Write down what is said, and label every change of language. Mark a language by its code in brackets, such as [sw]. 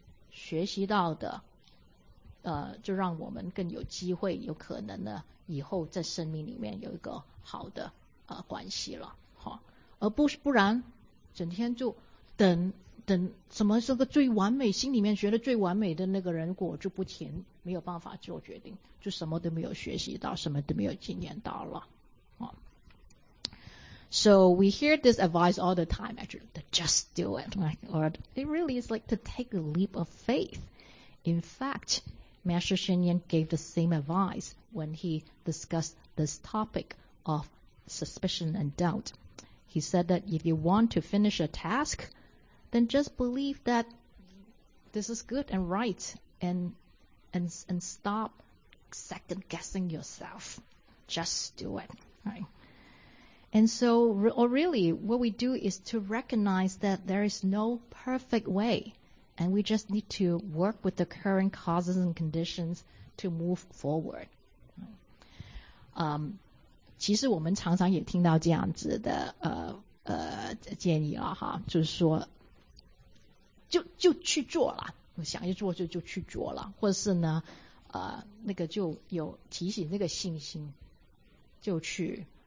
[zh] 学习到的就让我们更有机会有可能呢以后在生命里面有一个好的关系了，好，而不然整天就等什么是个最完美，心里面觉得最完美的那个人果就不停没有办法做决定，就什么都没有学习到，什么都没有经验到了，好。 [en] So we hear this advice all the time, actually, to just do it. Or it really is like to take a leap of faith. In fact, Master Shen Yan gave the same advice when he discussed this topic of suspicion and doubt. He said that if you want to finish a task, then just believe that this is good and right and stop second guessing yourself. Just do it, right? And so, or really, what we do is to recognize that there is no perfect way, and we just need to work with the current causes and conditions to move forward. [zh] 其实我们常常也听到这样子的建议了哈，就是说，就去做了，想一做就去做了，或者是呢，那个就有提醒那个信心，就去。